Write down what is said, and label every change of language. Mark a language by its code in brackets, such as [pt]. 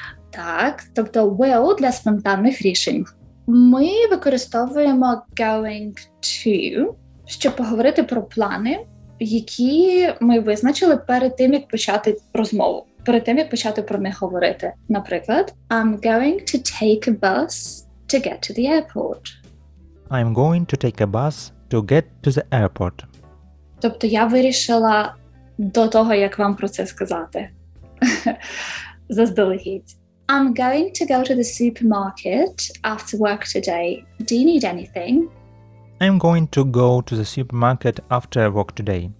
[uk] Так, тобто will для спонтанних рішень. Ми використовуємо going to, щоб поговорити про плани, які ми визначили перед тим, як почати розмову, перед тим, як почати про них говорити. [en] Наприклад, I'm going to take a bus to get to the airport. I'm going to take a bus to get to the airport. [uk] Тобто я вирішила до того, як вам про це сказати. Заздалегідь. [en] I'm going to go to the supermarket after work today. Do you need anything? I'm going to go to the supermarket after work today.